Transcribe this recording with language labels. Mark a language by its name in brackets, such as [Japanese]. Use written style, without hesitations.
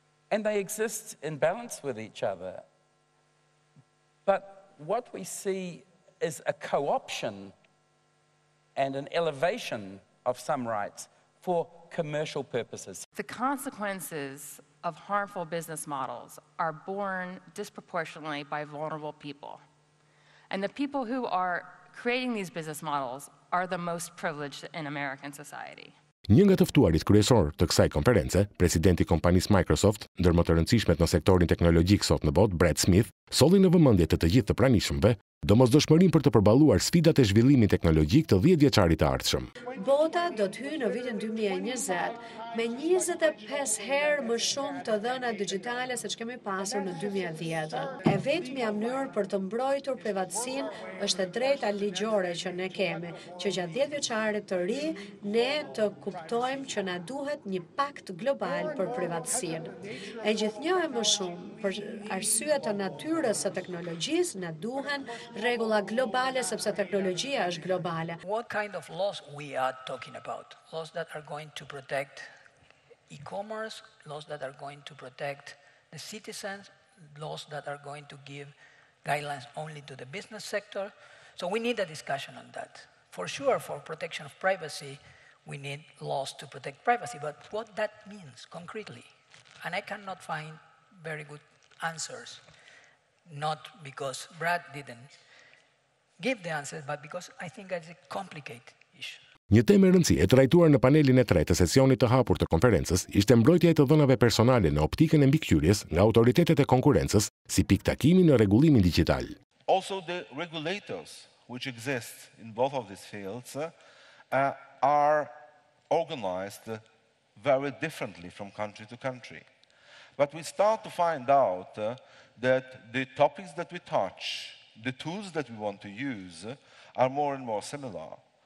[English] And they exist in balance with each other. But what we see is a co-option and an elevation of some rights for commercial purposes. The consequences of harmful business models are borne disproportionately by vulnerable people. And the people who are creating these business models are the most privileged in American society. [Albanian] Një nga të ftuarit kryesor të kësaj konference, presidenti i kompanisë Microsoft, ndër më të rëndësishmet në sektorin teknologjik sot në botë, Brad Smith, solli në vëmendje të gjithë të pranishmëve domosdoshmërinë për të përballuar sfidat e zhvillimit teknologjik të 10 vjeçarit të ardhshëm. Bota do të hyjë në vitin 2020 me 25 herë më shumë të dhëna digjitale se ç'kemi pasur në 2010. E vetmi mënyrë për të mbrojtur privatësinë është e drejta ligjore që ne kemi, që gjatë 10 vjeçarit të ri ne të kuptojmë që na duhet një pakt global për privatësinë. E gjithnjë e më shumë për arsye të natyrës së teknologjisë na duhen rregulla globale sepse teknologjia është globale. [English] What kind of laws we are talking about? Laws that are going to protect e-commerce, laws that are going to protect the citizens, laws that are going to give guidelines only to the business sector. So we need a discussion on that. For sure, for protection of privacy, we need laws to protect privacy, but what that means concretely, and I cannot find very good answers, not because Brad didn't give the answers, but because I think it's a complicated issue. [Albanian] Një temë e rëndësishme e trajtuar në panelin e tretë të sesionit të hapur të konferencës ishte mbrojtja e të dhënave personale në optikën e mbikëqyrjes nga autoritetet e konkurrencës si pikë takimi në rregullimin digjital. [English] Also the regulators which exist in both of these fields are organized very differently from country to country. But we start to find out that the topics that we touch, the tools that we want to use are more and more similar.